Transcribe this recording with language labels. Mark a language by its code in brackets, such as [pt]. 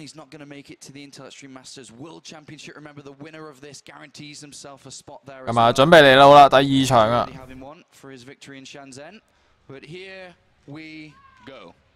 [en] He's not going to make it to the Intel Extreme Masters World Championship. Remember, the winner of this guarantees himself a spot there. [yue] 咁啊，准备嚟捞啦，第二场啊。 [en] For his victory in Shenzhen, but here we go.